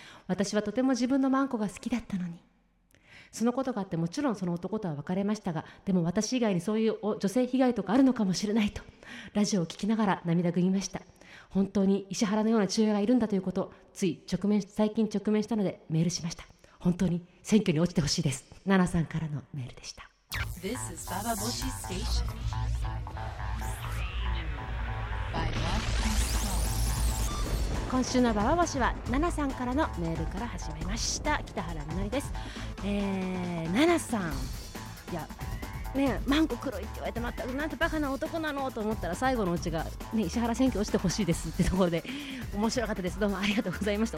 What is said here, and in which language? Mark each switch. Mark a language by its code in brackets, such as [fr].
[ja] 私はとても自分のマンコが好きだったのに。そのことがあって、もちろんその男とは別れましたが、でも私以外にそういう女性被害とかあるのかもしれないとラジオを聞きながら涙ぐみました。本当に石原のような父親がいるんだということ、つい最近直面したのでメールしました。本当に選挙に落ちてほしいです。ナナさんからのメールでした。 [en] This is Baba Boshi Station by Love. [ja] 今週のババボシはナナさんからのメールから始めました。北原みのりです。ナナさん、いやね、マンコ黒いって言われて、またなんてバカな男なのと思ったら、最後のうちが、ね、石原選挙落ちてほしいですってところで、面白かったです。どうもありがとうございました。